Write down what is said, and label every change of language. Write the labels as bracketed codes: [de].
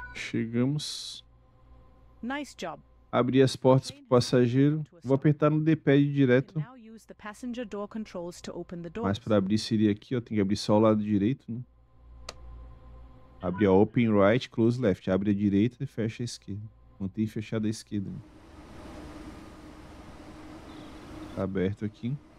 [pt] Chegamos. [en] Nice job. [pt] Abrir as portas para o passageiro. Vou apertar no D-pad direto. [en] the passenger door controls to open the door. [pt] Mas para abrir seria aqui, ó, tem que abrir só o lado direito, né? Abre a [en] open right, close left. [pt] Abre a direita e fecha a esquerda. Mantém fechada a esquerda. Né? Tá aberto aqui.